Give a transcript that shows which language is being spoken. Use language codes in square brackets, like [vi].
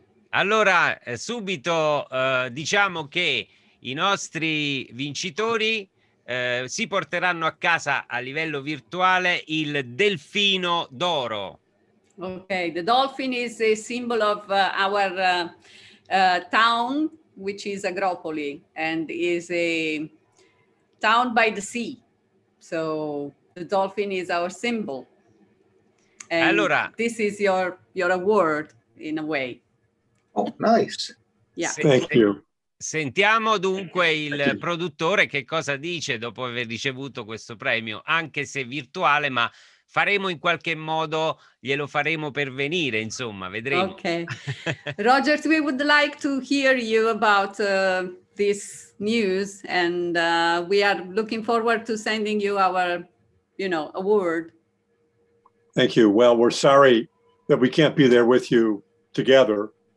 [it] Allora, subito diciamo che i nostri vincitori si porteranno a casa a livello virtuale il delfino d'oro. [en] Ok, the dolphin is a symbol of our town, which is Agropoli, and is a town by the sea. So the dolphin is our symbol. And allora, this is your award in a way. Oh, nice. Yeah. Thank you. [it] Sentiamo dunque il produttore che cosa dice dopo aver ricevuto questo premio, anche se virtuale, ma faremo in qualche modo, glielo faremo pervenire, insomma, vedremo. [en] Okay. Roger, we would like to hear you about this news, and we are looking forward to sending you our, you know, award. Thank you. Well, we're sorry that we can't be there with you together.